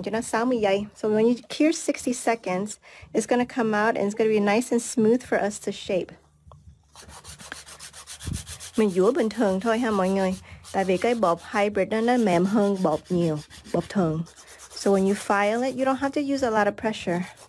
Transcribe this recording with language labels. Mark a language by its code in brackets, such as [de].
[en] So when you cure 60 seconds, it's going to come out and it's going to be nice and smooth for us to shape. [vi] Mình dũa bình thường thôi ha mọi người. Tại vì cái bột hybrid nó mềm hơn bột nhiều, bột thường. [en] So when you file it, you don't have to use a lot of pressure.